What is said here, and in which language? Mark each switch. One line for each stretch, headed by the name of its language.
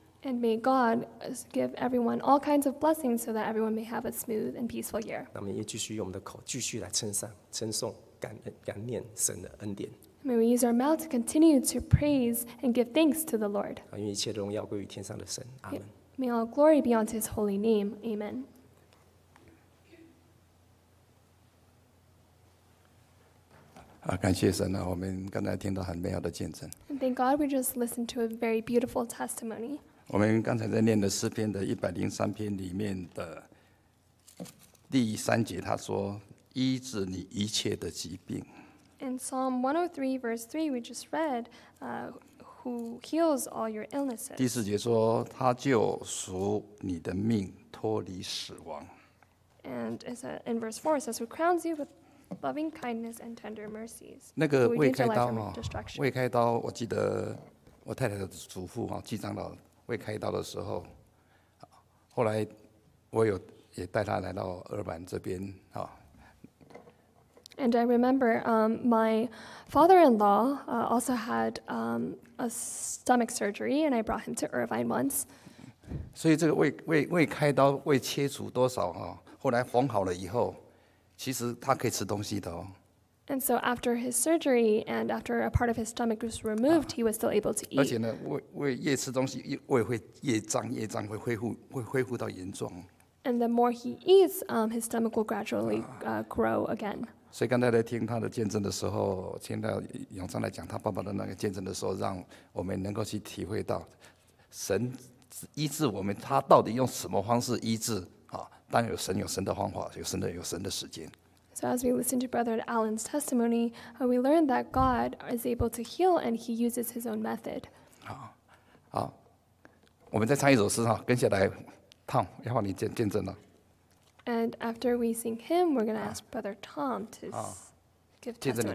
English: And may God give everyone all kinds of blessings so that everyone may have a smooth and peaceful year.
Chinese: 那我们也继续用我们的口继续来称颂、感念神的恩典。
English: May we use our mouth to continue to praise and give thanks to the Lord.
Chinese: 因为一切荣耀归于天上的神。
English: Amen. May all glory be unto His holy name. Amen.
Chinese: 感谢神啊，我们刚才听到很美好的见证。
English: And thank God, we just listened to a very beautiful testimony.
Chinese: 我们刚才在念的诗篇的103篇里面的第三节，他说：“医治你一切的疾病。”
English: In Psalm 103, verse 3, we just read, who heals all your illnesses.
Chinese: 第四节说，他就赎你的命，脱离死亡。
English: And in verse 4, it says, who crowns you with loving kindness and tender mercies.
Chinese: 那个未开刀，未开刀，我记得我太太的祖父，季长老未开刀的时候，后来我有也带他来到二板这边，
English: And I remember my father-in-law also had a stomach surgery, and I brought him to Irvine once.
Chinese: 所以这个未开刀未切除多少哈，后来缝好了以后，其实他可以吃东西的哦。
English: And so after his surgery and after a part of his stomach was removed, he was still able to eat.
Chinese: 而且呢，胃越吃东西，胃会越胀，越胀会恢复到原状。
English: And the more he eats, his stomach will gradually grow again.
Chinese: 所以刚才在听他的见证的时候，听到永昌来讲他爸爸的那个见证的时候，让我们能够去体会到神医治我们，他到底用什么方式医治啊？当有神有神的方法，有神的有神的时间。
English: So as we listen to Brother Allen's testimony, we learn that God is able to heal, and He uses His own method.
Chinese: 好，我们再唱一首诗哈，跟下来 ，Tom 要换你见证了。
English: And after we sing him, we're going to ask Brother Tom to give testimony